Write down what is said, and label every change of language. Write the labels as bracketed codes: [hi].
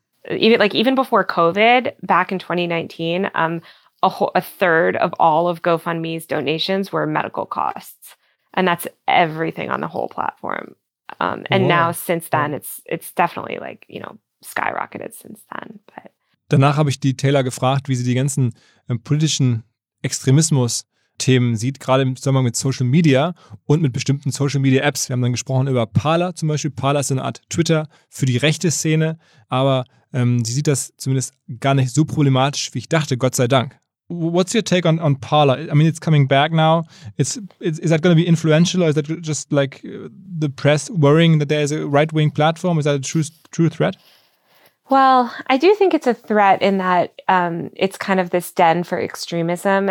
[en] Even before COVID, back in 2019, a third of all of GoFundMe's donations were medical costs, and that's everything on the whole platform. Now since then, it's definitely like, you know, skyrocketed since then, but. [de] Danach habe ich die Taylor gefragt, wie sie die ganzen politischen Extremismus-Themen sieht, gerade im Zusammenhang mit Social Media und mit bestimmten Social Media Apps. Wir haben dann gesprochen über Parler zum Beispiel. Parler ist eine Art Twitter für die rechte Szene, aber sie sieht das zumindest gar nicht so problematisch, wie ich dachte, Gott sei Dank. [en] What's your take on Parler? I mean, it's coming back now. Is that going to be influential or is that just like the press worrying that there is a right-wing platform? Is that a true threat? Well, I do think it's a threat in that it's kind of this den for extremism.